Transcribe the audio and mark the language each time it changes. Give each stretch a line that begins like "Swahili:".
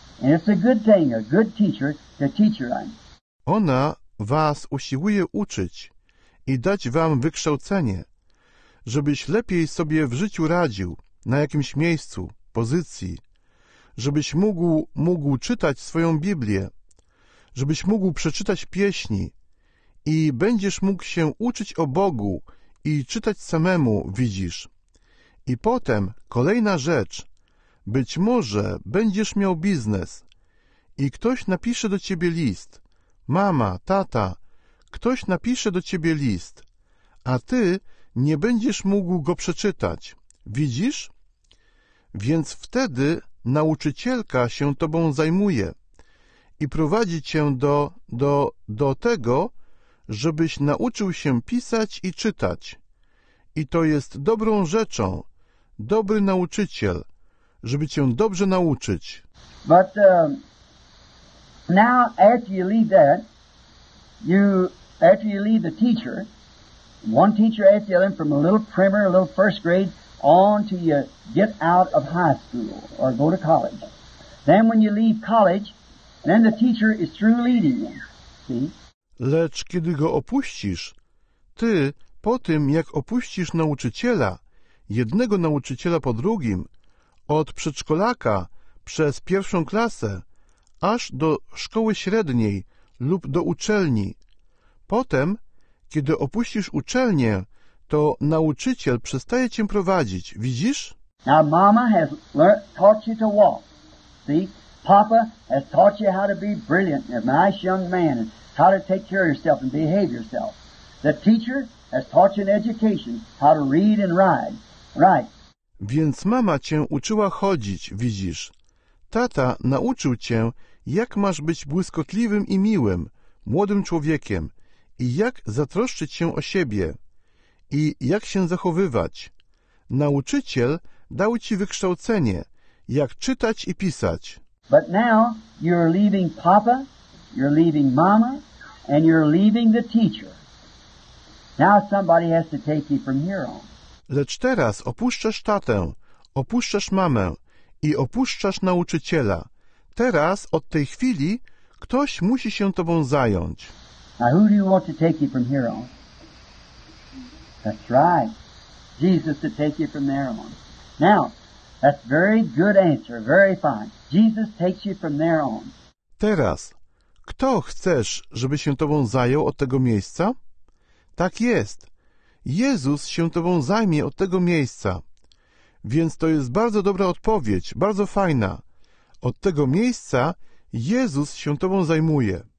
English: And it's a good thing, a good teacher to teach you right.
Polish: Ona was usiłuje uczyć i dać wam wykształcenie, żebyś lepiej sobie w życiu radził na jakimś miejscu, pozycji, żebyś mógł czytać swoją Biblię, żebyś mógł przeczytać pieśni i będziesz mógł się uczyć o Bogu i czytać samemu, widzisz. I potem kolejna rzecz. Być może będziesz miał biznes i ktoś napisze do ciebie list. Mama, tata, ktoś napisze do ciebie list, a ty nie będziesz mógł go przeczytać. Widzisz? Więc wtedy nauczycielka się tobą zajmuje i prowadzi cię do tego, żebyś nauczył się pisać i czytać. I to jest dobrą rzeczą, dobry nauczyciel, żeby cię dobrze nauczyć.
English: But now after you leave that, after you leave the teacher, one teacher after you learn from a little primer, a little first grade, on to you get out of high school or go to college. Then when you leave college, then the teacher is through leading you. See?
Polish: Lecz kiedy go opuścisz, ty po tym, jak opuścisz nauczyciela, jednego nauczyciela po drugim, od przedszkolaka przez pierwszą klasę, aż do szkoły średniej lub do uczelni. Potem, kiedy opuścisz uczelnię, to nauczyciel przestaje cię prowadzić, widzisz?
English: Now mama has taught you to walk. See? Papa has taught you how to be brilliant, a nice young man, and how to take care of yourself and behave yourself. The teacher has taught you an education, how to read and write. Right.
Polish: Więc mama cię uczyła chodzić, widzisz. Tata nauczył cię, jak masz być błyskotliwym i miłym, młodym człowiekiem i jak zatroszczyć się o siebie i jak się zachowywać. Nauczyciel dał ci wykształcenie, jak czytać i pisać.
English: But now you're leaving papa, you're leaving mama, and you're leaving the teacher. Now somebody has to take you from here on.
Polish: Lecz teraz opuszczasz tatę, opuszczasz mamę i opuszczasz nauczyciela. Teraz, od tej chwili, ktoś musi się tobą zająć.
English: Now who do you want to take you from here on? That's right. Jesus to take you from there on. Now, that's very good answer, very fine. Jesus takes you from there on.
Polish: Teraz, kto chcesz, żeby się tobą zajął od tego miejsca? Tak jest. Jezus się tobą zajmie od tego miejsca. Więc to jest bardzo dobra odpowiedź, bardzo fajna. Od tego miejsca Jezus się tobą zajmuje.